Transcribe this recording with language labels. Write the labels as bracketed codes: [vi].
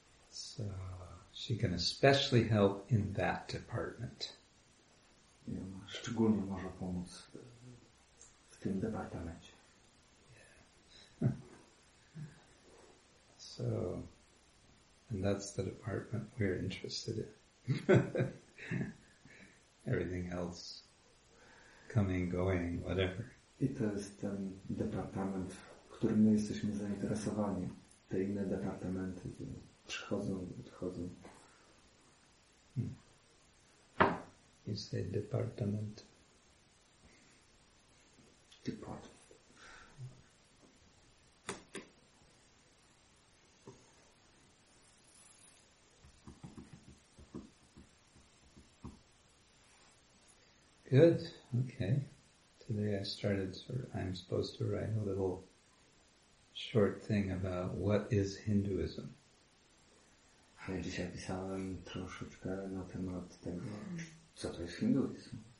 [en] So she can especially help in that department. [pl] Szczególnie może pomóc w tym departamencie. [en] So, and that's the department we're interested in. Everything else, coming, going, whatever. [pl] I to jest ten departament, którym my jesteśmy zainteresowani. Te inne departamenty przychodzą i odchodzą. [en] You say department. Department. Good. Okay. Today I started, I'm supposed to write a little short thing about what is Hinduism. [pl] Ja dzisiaj pisałem troszeczkę na temat tego, co to jest hinduizm.